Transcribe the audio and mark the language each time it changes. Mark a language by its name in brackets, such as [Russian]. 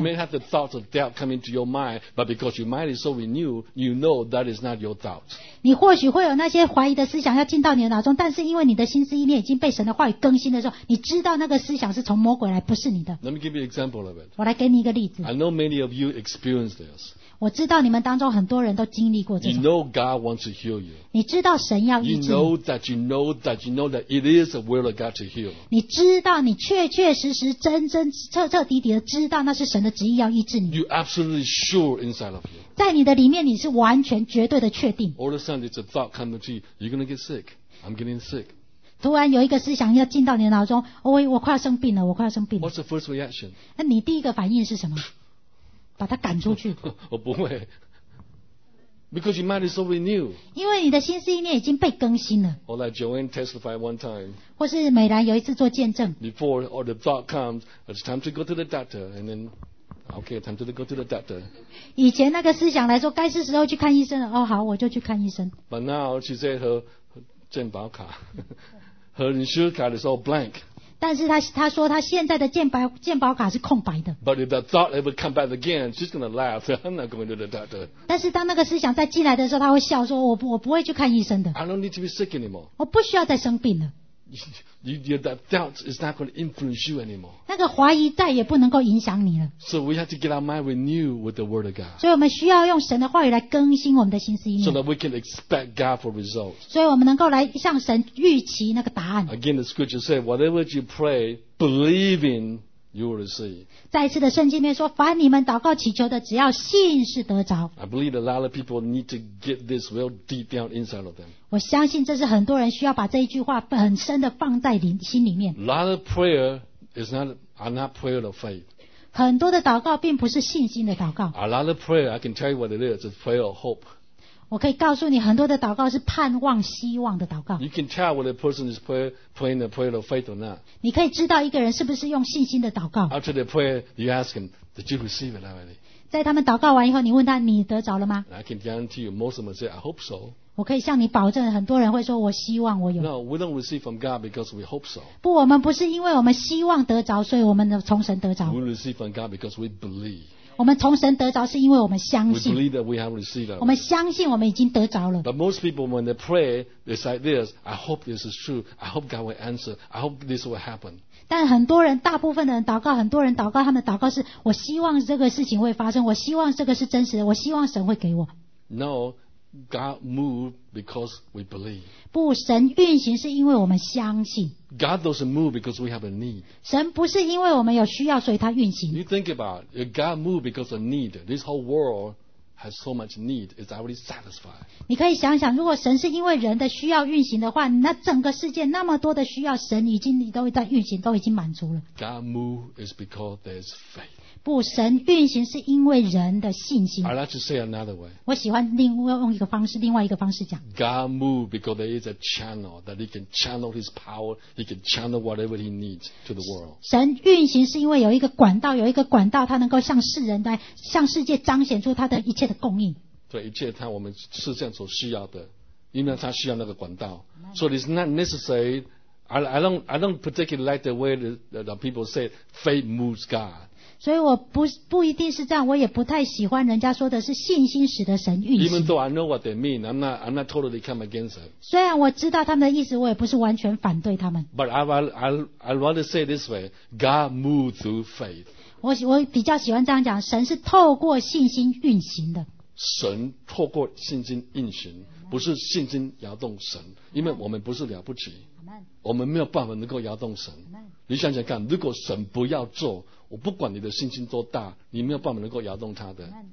[English] You may have the thoughts of doubt come into your mind, but because your mind is so renewed, you know that is not your thought. [Chinese] 你或许会有那些怀疑的思想要进到你的脑中，但是因为你的心思意念已经被神的话语更新的时候，你知道那个思想是从魔鬼来，不是你的。 [English] Let me give you an example of it. [Chinese] 我来给你一个例子。 [English] I know many of you experienced this. [Chinese] 我知道你们当中很多人都经历过这种。 [English] You know God wants to heal you. [Chinese] 你知道神要医治。 [English] You know that you know that you know that it is the will of God to heal. [Chinese] 你知道你确确实实真真彻彻底底的知道那是神的旨意要医治你。 [English] You absolutely sure inside of you. [Chinese] 在你的里面你是完全绝对的确定。 [English] All of a sudden, it's a thought coming to you. You're going to get sick. I'm getting sick. [Chinese] 突然有一个思想要进到你的脑中、哦、我快要生病了我快要生病了 [English] What's the first reaction? [Chinese] 那你第一个反应是什么把它赶出去我不会 [English] Because your mind is so renewed [Chinese] 因为你的心思意念已经被更新了 [English] Or like Joanne testified one time [Chinese] 或是美兰有一次做见证 [English] Before all the thought comes It's time to go to the doctor And then Okay, time to go to the doctor. [Chinese] 以前那个思想来说该是时候去看医生了哦，好我就去看医生 [English] But now she said her健保卡Her insurance card is all blank. [Chinese] 但是他说他现在的健保卡是空白的。 [English] But if the thought ever come back again, she's gonna laugh. I'm not going to the doctor. [Chinese] 但是当那个思想再进来的时候，他会笑说：“我不会去看医生的。 [English] ”I don't need to be sick anymore. [Chinese] 我不需要再生病了。 [English] You that doubt is not going to influence you anymore. [Chinese] 那个怀疑再也不能够影响你了。 [English] So we have to get our mind renewed with the word of God. [Chinese] 所以我们需要用神的话语来更新我们的心思意念。 [English] So that we can expect God for results. [Chinese] 所以我们能够来向神预期那个答案。 [English] Again, the scripture says, whatever you pray, believing, you will receive. [Chinese] 再一次的圣经里面说，凡你们祷告祈求的，只要信是得着。 [English] I believe a lot of people need to get this well deep down inside of them. [Chinese] 我相信这是很多人需要把这一句话很深的放在心里面。 [English] A lot of prayer is not, are not prayer of faith. [Chinese] 很多的祷告并不是信心的祷告。 [English] A lot of prayer, I can tell you what it is, is prayer of hope. [Chinese] 我可以告诉你很多的祷告是盼望希望的祷告。 [English] You can tell whether a person is praying a prayer of faith or not. [Chinese] 你可以知道一个人是不是用信心的祷告。 [English] After the prayer, you ask him, did you receive it already? [Chinese] 在他们祷告完以后，你问他你得着了吗？ [English] I can guarantee you, most of them say, I hope so. [Chinese] 我可以向你保证，很多人会说，我希望我有。 [English] No, we don't receive from God because we hope so. [Chinese] 不，我们不是因为我们希望得着，所以我们从神得着。 [English] We receive from God because we believe. [Chinese] 我们从神得着是因为我们相信 [English] we believe that we have received it. [Chinese] 我们相信我们已经得着了 [English] But most people when they pray it's like this I hope this is true I hope God will answer I hope this will happen [Chinese] 但很多人大部分的人祷告很多人祷告他们祷告是我希望这个事情会发生我希望这个是真实的我希望神会给我 [English] No God moved because we believe [Chinese] 不神运行是因为我们相信 [English] God doesn't move because we have a need [Chinese] 神不是因为我们有需要所以他运行 [English] You think about it, if God moved because of need this whole world has so much need it's already satisfied [Chinese] 你可以想想如果神是因为人的需要运行的话那整个世界那么多的需要神已经都在运行都已经满足了 [English] God moved is because there's faith [Chinese] 不神运行是因为人的信心 [English] I'd like to say another way [Chinese] 我喜欢另外用一个方式另外一个方式讲 [English] God moved because there is a channel that he can channel his power he can channel whatever he needs to the world [Chinese] 神运行是因为有一个管道有一个管道他能够向世人来向世界彰显出他的一切的供应对一切他我们世界所需要的因为他需要那个管道 [English] So it's not necessary I don't particularly like the way the people say faith moves God [Chinese] 所以我 不一定是这样我也不太喜欢人家说的是信心使得神运行 [English] Even though I know what they mean I'm not totally come against it [Chinese] 虽然我知道他们的意思我也不是完全反对他们 [English] But I'd rather say this way God moved through faith [Chinese] 我比较喜欢这样讲神是透过信心运行的神透过信心运行不是信心摇动神因为我们不是了不起我们没有办法能够摇动神你想想看如果神不要做我不管你的信心多大你没有办法能够摇动他的